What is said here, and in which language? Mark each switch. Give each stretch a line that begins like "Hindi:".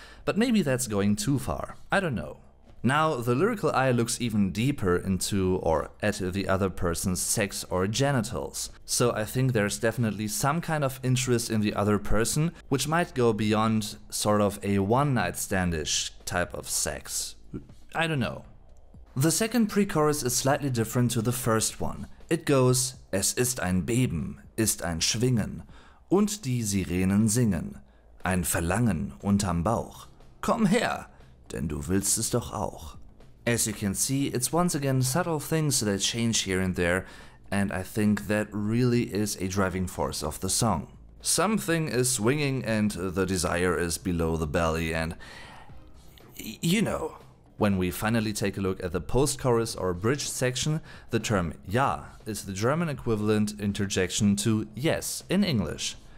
English: But maybe that's going too far, I don't know. Now, the lyrical eye looks even deeper into or at the other person's sex or genitals, so I think there's definitely some kind of interest in the other person, which might go beyond sort of a one-night standish type of sex. I don't know. The second pre-chorus is slightly different to the first one. It goes,
German: Es ist ein Beben, ist ein Schwingen, und die Sirenen singen, ein Verlangen unterm Bauch. Komm her, denn du willst es doch auch.
English: As you can see, it's once again subtle things that change here and there, and I think that really is a driving force of the song. Something is swinging and the desire is below the belly and, you know. When we finally take a look at the post-chorus or bridge section, the term ja is the German equivalent interjection to yes in English.